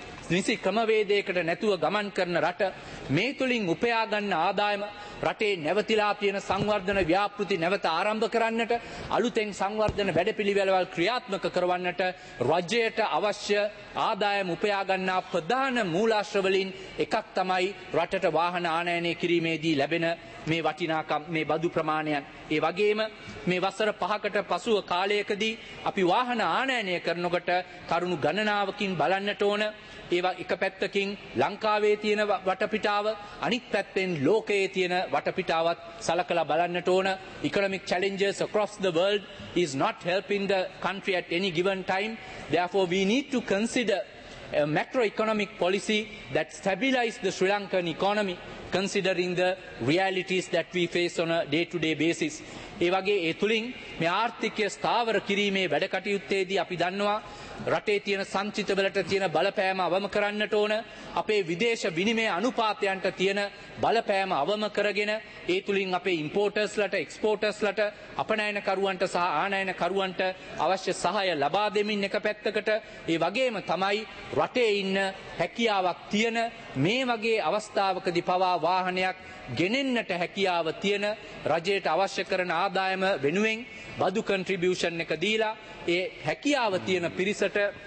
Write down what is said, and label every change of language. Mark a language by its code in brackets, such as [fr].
[si] නිසි ක්‍රමවේදයකට නැතුව ගමන් කරන රට මේ තුලින් උපයා ගන්න ආදායම රටේ නැවතිලා තියෙන සංවර්ධන ව්‍යාපෘති නැවත ආරම්භ කරන්නට අලුතෙන් සංවර්ධන වැඩපිළිවෙළවල් ක්‍රියාත්මක කරවන්නට රජයට අවශ්‍ය ආදායම් උපයා ගන්නා ප්‍රධාන මූලාශ්‍රවලින් එකක් තමයි රටට වාහන ආනයනය කිරීමේදී ලැබෙන මේ වටිනාකම් මේ බදු ප්‍රමාණයන්. ඒ වගේම මේ වසර 5කට පසුව කාලයකදී අපි වාහන ආනයනය කරනකොට කරුණු ගණනාවකින් බලන්නට ඕන. ඒවා එක පැත්තකින් ලංකාවේ තියෙන වටපිටාව අනිත් පැත්තෙන් ලෝකයේ තියෙන වටපිටාවත් සලකලා බලන්නට ඕන. [en] Economic challenges across the world is not helping the country at any given time. Therefore, we need to consider a macroeconomic policy that stabilizes the Sri Lankan economy, considering the realities that we face on a day-to-day basis. [si] ඒ වගේ ඒ තුලින් මේ ආර්ථිකය ස්ථාවර කිරීමේ වැඩ කටයුත්තේදී අපි දන්නවා රටේ තියෙන සංචිතවලට තියෙන බලපෑම අවම කරන්නට ඕන. අපේ විදේශ විනිමය අනුපාතයන්ට තියෙන බලපෑම අවම කරගෙන ඒ තුලින් අපේ ඉම්පෝර්ටර්ස්ලට එක්ස්පෝර්ටර්ස්ලට අපනයනකරුවන්ට සහ ආනයනකරුවන්ට අවශ්‍ය සහාය ලබා දෙමින් එක පැත්තකට ඒ වගේම තමයි රටේ ඉන්න හැකියාවක් තියෙන මේ වගේ අවස්ථාවකදී පවා වාහනයක් ගෙනෙන්නට හැකියාව තියෙන රජයට අවශ්‍ය කරන ආදායම වෙනුවෙන් බදු කන්ට්‍රිබියුෂන් එක දීලා ඒ හැකියාව තියෙන පිරිසට